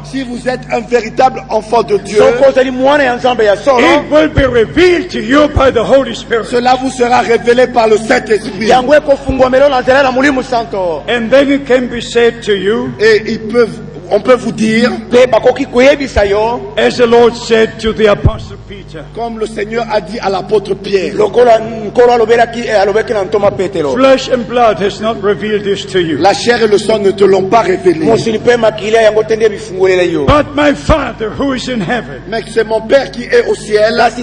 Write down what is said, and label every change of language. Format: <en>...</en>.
<fr>si vous êtes un véritable enfant de Dieu,</fr> <en>it will be revealed to you by the Holy Spirit.</en> <fr>Cela vous sera révélé par le Saint Esprit.</fr> <en>And then it can be said to you.</en> <fr>Et ils peuvent. On peut vous dire,</fr> <en>as the Lord said to the Apostle Peter,</en> <fr>comme le Seigneur a dit à l'apôtre Pierre,</fr> <en>flesh and blood has not revealed this to you.</en> <fr>La chair et le sang ne te l'ont pas révélé.</fr> <en>But my Father who is in heaven,</en> <fr>mais c'est mon Père qui est au ciel.</fr>